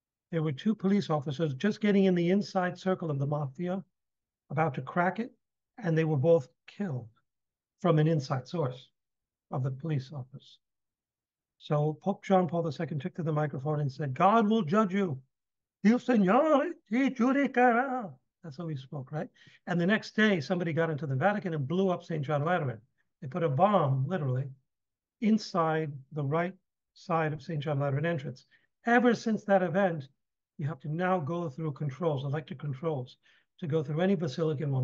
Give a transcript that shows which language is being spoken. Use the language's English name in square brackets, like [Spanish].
[English] There were two police officers just getting in the inside circle of the mafia, about to crack it, and they were both killed from an inside source of the police office. So Pope John Paul II took to the microphone and said, God will judge you. [Italian] Il Signore ti giudicherà. [English] That's how he spoke, right? And the next day, somebody got into the Vatican and blew up St. John Lateran. They put a bomb, literally, inside the right side of St. John Lateran entrance. Ever since that event, you have to now go through controls, electric controls, to go through any basilican one.